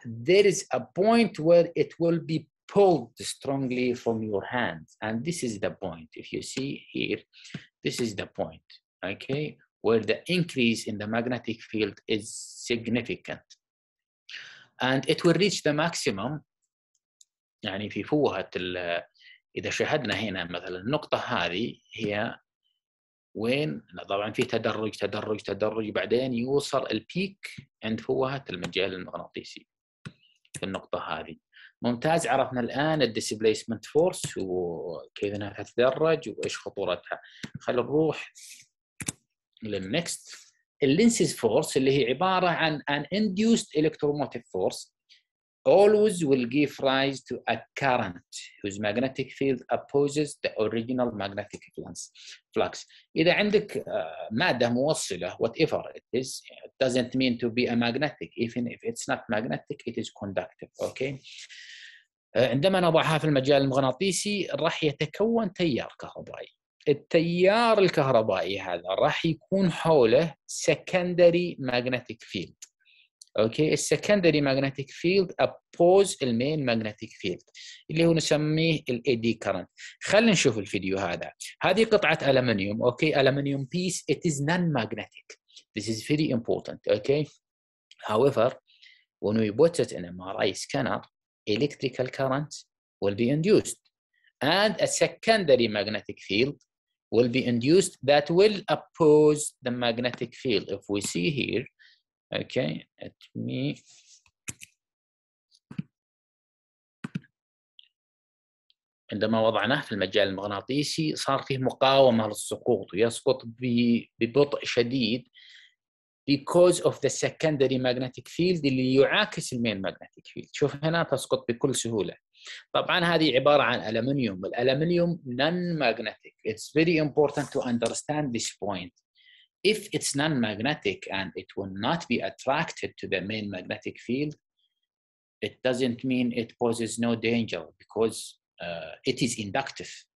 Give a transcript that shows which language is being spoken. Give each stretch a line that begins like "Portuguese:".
English: There is a point where it will be pulled strongly from your hands. And this is the point. If you see here, this is the point, okay, where the increase in the magnetic field is significant. And it will reach the maximum.
Arabic: يعني في فوهة الـ إذا شاهدنا هنا مثلا النقطة هذه هي وين طبعا في تدرج تدرج تدرج بعدين يوصل البيك عند فوهة المجال المغناطيسي في النقطة هذه. ممتاز عرفنا الآن الديسبليسمنت فورس وكيف انها تتدرج وايش خطورتها. خلينا نروح للنكست اللينسز فورس اللي هي عبارة عن ان انديوست الكتروموتيف فورس
English: always will give rise to a current whose magnetic field opposes the original magnetic flux.
Arabic: إذا عندك مادة موصلة
English: whatever it is, it doesn't mean to be a magnetic. Even if it's not magnetic, it is conductive. Okay.
Arabic: عندما نضعها في المجال المغناطيسي راح يتكون تيار كهربائي. التيار الكهربائي هذا راح يكون حوله
English: secondary magnetic field. Okay, a secondary magnetic field oppose the main magnetic field
Arabic: اللي هو نسميه الـ
English: eddy current.
Arabic: خلينا نشوف الفيديو هذا. هذه قطعة ألمنيوم.
English: Okay, aluminium piece. It is non-magnetic. This is very important. Okay. However, when we put it in a MRI scanner, electrical current will be induced, and a secondary magnetic field will be induced that will oppose the magnetic field. If we see here. Okay, let me
Arabic: عندما وضعناه في المجال المغناطيسي صار فيه مقاومة للسقوط ويسقط ببطء شديد
English: because of the secondary magnetic field
Arabic: اللي يعاكس المين magnetic field. شوف هنا تسقط بكل سهولة. طبعا هذه عبارة عن ألمنيوم. الألمنيوم non-magnetic.
English: It's very important to understand this point. If it's non-magnetic and it will not be attracted to the main magnetic field, it doesn't mean it poses no danger because it is inductive.